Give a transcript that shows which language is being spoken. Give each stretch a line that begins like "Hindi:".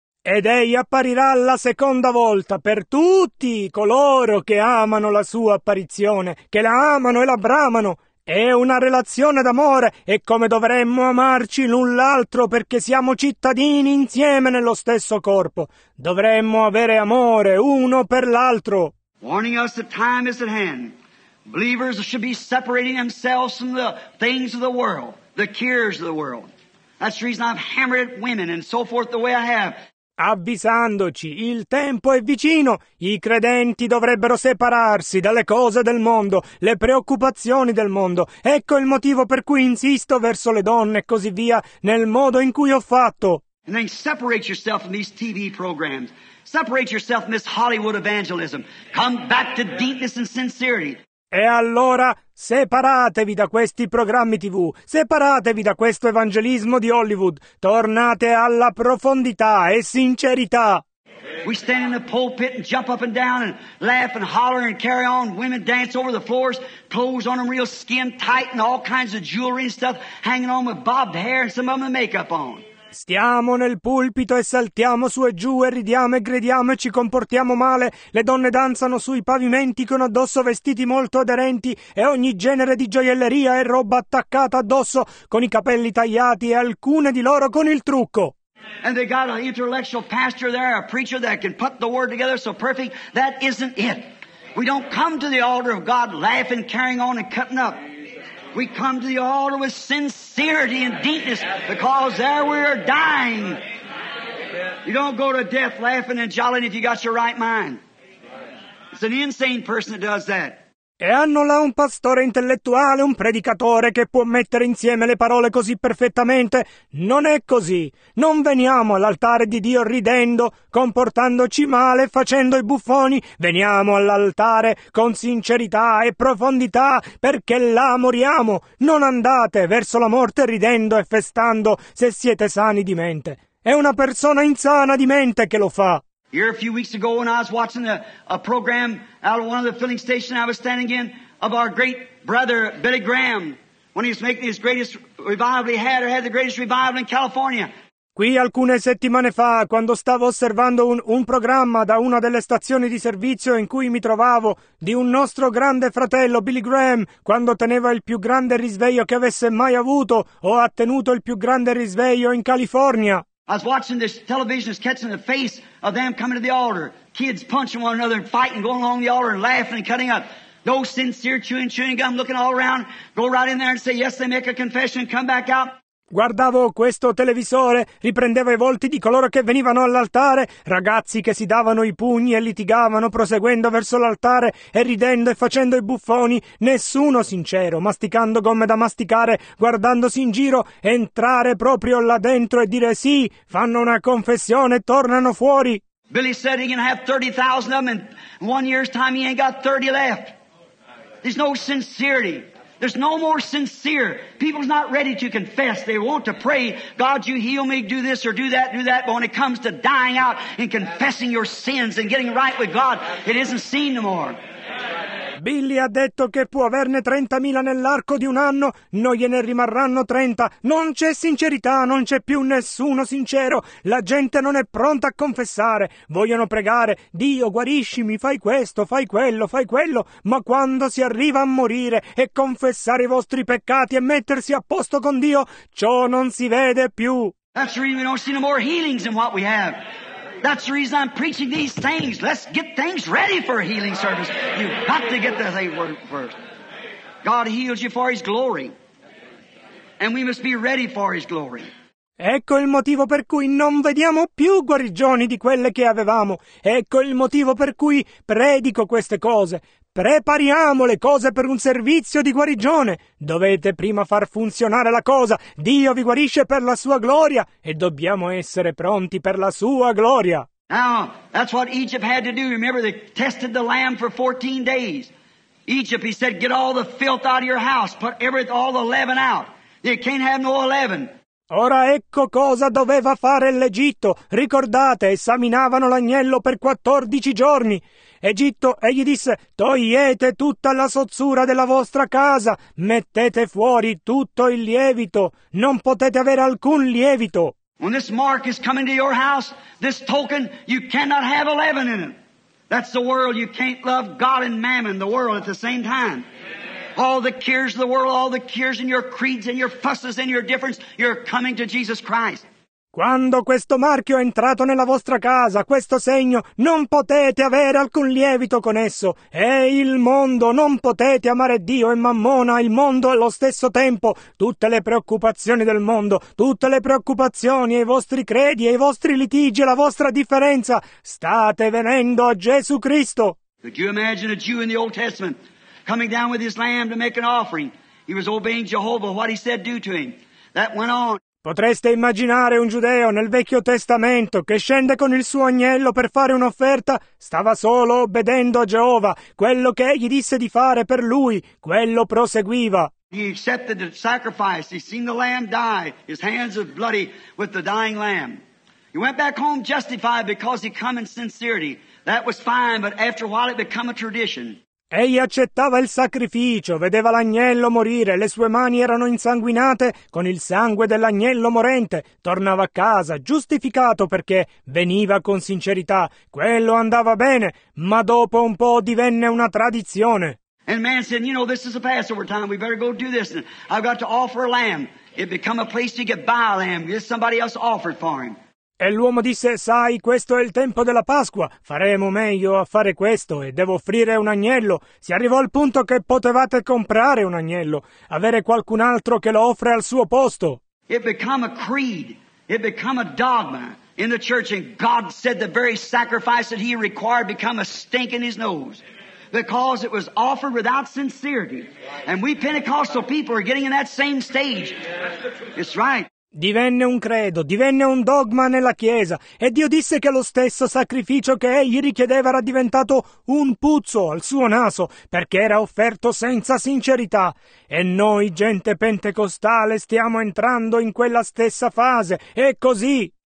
Italian: Ed egli apparirà la seconda volta per tutti coloro che amano la sua apparizione, che la amano e la bramano. È una relazione d'amore e come dovremmo amarci l'un l'altro perché siamo cittadini insieme nello stesso corpo. Dovremmo avere amore uno per l'altro.
English: Warning us that time is at hand. Believers should be separating themselves from the things of the world, the cares of the world. That's the reason I've hammered at women and so forth the way I have.
Italian: Avvisandoci, il tempo è vicino. I credenti dovrebbero separarsi dalle cose del mondo, le preoccupazioni del mondo. Ecco il motivo per cui insisto verso le donne e così via nel modo in cui ho fatto.
English: And then separate yourself from these TV programs. Separate yourself from this Hollywood evangelism. Come back to deepness and sincerity.
Italian: E allora separatevi da questi programmi TV, separatevi da questo evangelismo di Hollywood, tornate alla profondità e sincerità.
English: We stand in the pulpit and jump up and down and laugh and holler and carry on. Women dance over the floors, clothes on them real skin tight and all kinds of jewelry and stuff hanging on with bobbed hair and some of them makeup on.
Italian: Stiamo nel pulpito e saltiamo su e giù e ridiamo e gridiamo e ci comportiamo male. Le donne danzano sui pavimenti con addosso vestiti molto aderenti e ogni genere di gioielleria e roba attaccata addosso, con i capelli tagliati e alcune di loro con il trucco.
English: And they got an intellectual pastor there, a preacher that can put the word together so perfect. That isn't it. We don't come to the altar of God laughing, carrying on and cutting up. We come to the altar with sincerity and deepness, because there we are dying. You don't go to death laughing and jollying if you got your right mind. It's an insane person that does that.
Italian: E hanno là un pastore intellettuale, un predicatore che può mettere insieme le parole così perfettamente. Non è così. Non veniamo all'altare di Dio ridendo, comportandoci male, facendo i buffoni. Veniamo all'altare con sincerità e profondità, perché là moriamo. Non andate verso la morte ridendo e festando se siete sani di mente. È una persona insana di mente che lo fa.
English: Here a few weeks ago when I was watching a program out of one of the filling stations I was standing in of our great brother Billy Graham when he was making his greatest revival he had the greatest revival in California.
Italian: Qui alcune settimane fa, quando stavo osservando un programma da una delle stazioni di servizio in cui mi trovavo, di un nostro grande fratello Billy Graham, quando teneva il più grande risveglio che avesse mai avuto o ha tenuto il più grande risveglio in California.
English: I was watching this television, catching the face of them coming to the altar. Kids punching one another and fighting, going along the altar and laughing and cutting up. No sincere chewing gum, looking all around. Go right in there and say yes, they make a confession, come back out.
Italian: Guardavo questo televisore, riprendevo i volti di coloro che venivano all'altare, ragazzi che si davano i pugni e litigavano proseguendo verso l'altare e ridendo e facendo i buffoni, nessuno sincero, masticando gomme da masticare, guardandosi in giro, entrare proprio là dentro e dire sì, fanno una confessione e tornano fuori.
English: Billy said he can have 30,000 of them and in 1 year's time he ain't got 30 left. There's no sincerity. There's no more sincere. People's not ready to confess. They want to pray, God, you heal me, do this or do that. But when it comes to dying out and confessing your sins and getting right with God, it isn't seen no more.
Italian: Billy ha detto che può averne 30,000 nell'arco di un anno, non gliene rimarranno 30. Non c'è sincerità, non c'è più nessuno sincero. La gente non è pronta a confessare. Vogliono pregare, Dio guariscimi, fai questo, fai quello, ma quando si arriva a morire e confessare i vostri peccati e mettersi a posto con Dio, ciò non si vede più.
English: That's the reason we don't see no more healings in what we have. That's the reason I'm preaching these things. Let's get things ready for a healing service. You've got to get the thing working first. God heals you for His glory. And we must be ready for His glory.
Italian: Ecco il motivo per cui non vediamo più guarigioni di quelle che avevamo. Ecco il motivo per cui predico queste cose. Prepariamo le cose per un servizio di guarigione. Dovete prima far funzionare la cosa. Dio vi guarisce per la sua gloria e dobbiamo essere pronti per la sua gloria.
English: Now, that's what Egypt had to do. Remember, they tested the lamb for 14 days. Egypt, he said, get all the filth out of your house. Put all the leaven out. You can't have no leaven.
Italian: Ora ecco cosa doveva fare l'Egitto. Ricordate, esaminavano l'agnello per 14 giorni. Egitto, egli disse, togliete tutta la sozzura della vostra casa, mettete fuori tutto il lievito, non potete avere alcun lievito.
English: When this mark is coming to your house, this token, you cannot have a leaven in it. That's the world, you can't love God and mammon, the world at the same time. All the cares of the world, all the cares in your creeds and your fusses and your difference, you're coming to Jesus Christ.
Italian: Quando questo marchio è entrato nella vostra casa, questo segno, non potete avere alcun lievito con esso. È il mondo, non potete amare Dio e Mammona, il mondo allo stesso tempo. Tutte le preoccupazioni del mondo, tutte le preoccupazioni, i vostri credi, i vostri litigi, la vostra differenza, state venendo a Gesù Cristo.
English: Could you imagine a Jew in the Old Testament coming down with his lamb to make an offering? He was obeying Jehovah, what he said do to him. That went on.
Italian: Potreste immaginare un giudeo nel Vecchio Testamento che scende con il suo agnello per fare un'offerta? Stava solo obbedendo a Geova, quello che egli disse di fare per lui, quello proseguiva.
English: He accepted the sacrifice, he seen the lamb die, his hands are bloody with the dying lamb. He went back home justified because he come in sincerity. That was fine, but after a while it became a tradition.
Italian: Egli accettava il sacrificio, vedeva l'agnello morire, le sue mani erano insanguinate con il sangue dell'agnello morente, tornava a casa, giustificato perché veniva con sincerità, quello andava bene, ma dopo un po' divenne una tradizione.
English: And man said, you know, this is a Passover time, we better go do this. I've got to offer a lamb. It become a place to get by a lamb. This somebody else offered for him.
Italian: E l'uomo disse, sai, questo è il tempo della Pasqua, faremo meglio a fare questo e devo offrire un agnello. Si arrivò al punto che potevate comprare un agnello, avere qualcun altro che lo offre al suo posto.
English: It became a creed, it became a dogma in the church, and God said the very sacrifice that he required became a stink in his nose. Because it was offered without sincerity. And we Pentecostal people are getting in that same stage. It's right.
Italian: Divenne un credo, divenne un dogma nella Chiesa, e Dio disse che lo stesso sacrificio che egli richiedeva era diventato un puzzo al suo naso, perché era offerto senza sincerità. E noi, gente pentecostale, stiamo entrando in quella stessa fase, e così.